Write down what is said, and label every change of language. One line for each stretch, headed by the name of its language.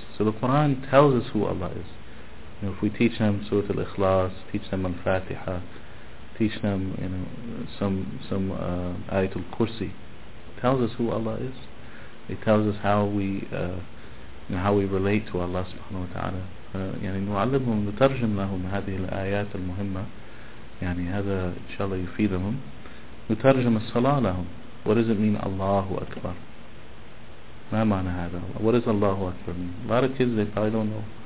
English: So the Quran tells us who Allah is. You know, if we teach them Surah Al-Ikhlas, teach them Al-Fatiha, teach them, you know, some Ayatul Kursi, tells us who Allah is. It tells us how we you know, how we relate to Allah subhanahu wa ta'ala.
Arabic: يعني نعلمهم نترجم لهم هذه الآيات المهمة. يعني هذا إن شاء الله يفيدهم. نترجم الصلاة لهم.
English: What does it mean Allahu Akbar?
Arabic: ma ma'ana hada,
English: what does Allahu Akbar mean? A lot of kids, they probably don't know.